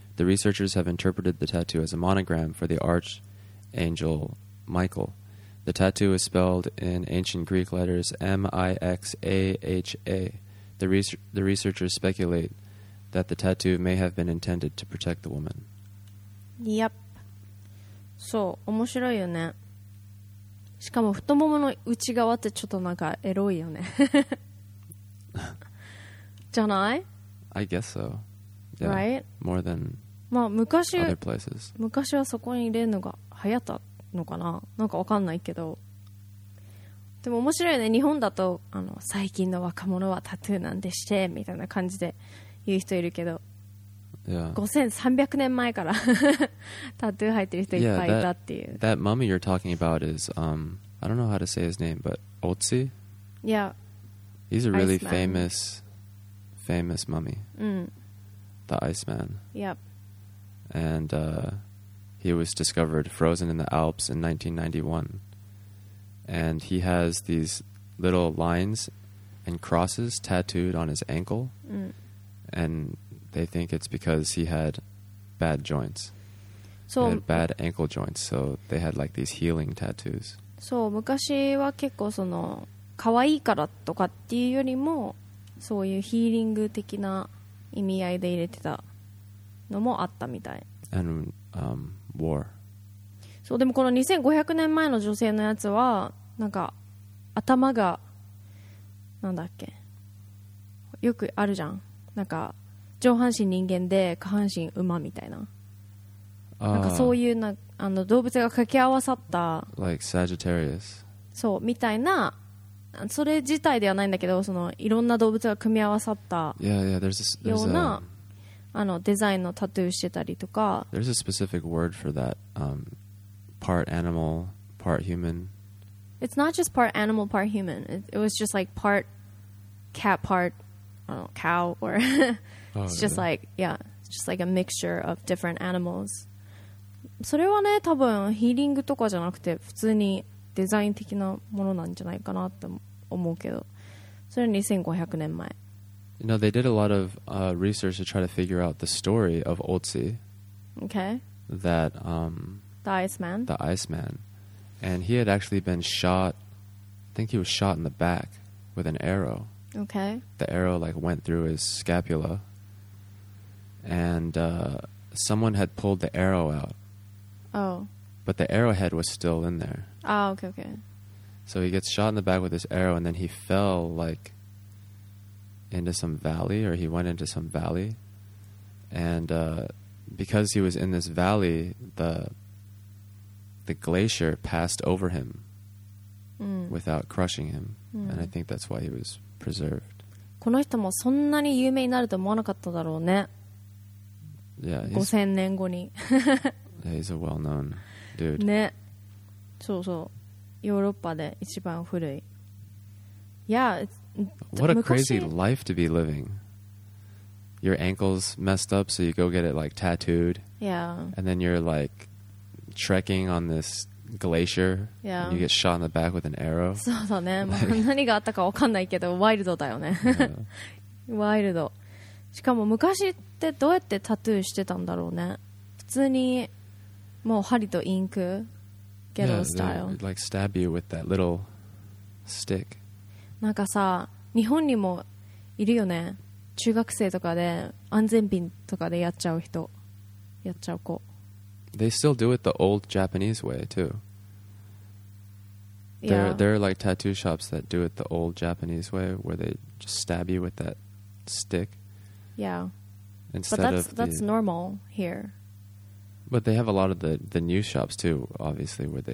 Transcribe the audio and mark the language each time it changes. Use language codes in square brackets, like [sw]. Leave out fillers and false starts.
[en] The researchers have interpreted the tattoo as a monogram for the archangel Michael. The tattoo is spelled in ancient Greek letters M-I-X-A-H-A. The researchers speculate that the tattoo may have been intended to protect the woman. Yep. So, [ja] 面白いよね。しかも太ももの内側ってちょっとなんかエロいよね。じゃない [en] ?I guess so. Yeah, right? More than other places. [ja] 昔はそこに入れるのが流行ったのかななんかわかんないけど。でも面白いね。日本だとあの最近の若者はタトゥーなんでしてみたいな感じで言う人いるけど。 [en] Yeah. [ja] 5300年前からタトゥー入ってる人いっぱいいたっていう。 [en] Yeah, that mummy you're talking about is, I don't know how to say his name, but Otzi? Yeah. He's a really famous mummy. Mm. The Iceman. Yep. And he was discovered frozen in the Alps in 1991. And he has these little lines and crosses tattooed on his ankle. Mm. And... They think it's because he had bad joints. So, he had bad ankle joints, so they had like these healing tattoos. So, [ja] 昔は結構その可愛いからとかっていうよりもそういうヒーリング的な意味合いで入れてたのもあったみたい。 [en] And war. [ja] そう、でもこの2500年前の女性のやつはなんか頭がなんだっけよくあるじゃんなんか上半身人間で下半身馬みたいな、なんかそういうなあの動物が掛け合わさった、 [en] like Sagittarius、 [ja] そうみたいな、それ自体ではないんだけど、そのいろんな動物が組み合わさった、ようなあのデザインのタトゥーしてたりとか、 [en] There's a specific word for that, part animal, part human. It's not just part animal, part human. It was just like part cat, part cow or It's just like, yeah, it's just like a mixture of different animals. [ja] それはね、多分ヒーリングとかじゃなくて普通にデザイン的なものなんじゃないかなって思うけど、それ2500年前。 [en] You know, they did a lot of research to try to figure out the story of Otzi. Okay. That the Iceman. The Iceman, and he had actually been shot. I think he was shot in the back with an arrow. Okay. The arrow like went through his scapula. And someone had pulled the arrow out. Oh. But the arrowhead was still in there. Ah, okay, okay. So he gets shot in the back with this arrow, and then he fell, like, into some valley, or he went into some valley. And because he was in this valley, the glacier passed over him without crushing him. And I think that's why he was preserved. [ja] この人もそんなに有名になると思わなかっただろうね。 5000年後に。 [en] He's a well-known dude. [ja] ね。そうそう。ヨーロッパで一番古い。 [en] Yeah, what a crazy life to be living. Your ankle's messed up, so you go get it like tattooed. Yeah. And then you're like trekking on this glacier. Yeah. And you get shot in the back with an arrow. [ja] そうだね。まあ、何があったか分かんないけど、ワイルドだよね。 [en] Yeah. [ja] ワイルド。しかも昔ってどうやってタトゥーしてたんだろうね。普通にもう針とインク、ゲドスタイル。 [en] Yeah, like stab you with that little stick. [ja] なんかさ、日本にもいるよね。中学生とかで安全ピンとかでやっちゃう人、やっちゃう子。 [en] They still do it the old Japanese way too. Yeah. There are like tattoo shops that do it the old Japanese way, where they just stab you with that stick. Yeah. Instead but that's normal here. But they have a lot of the new shops too, obviously, where they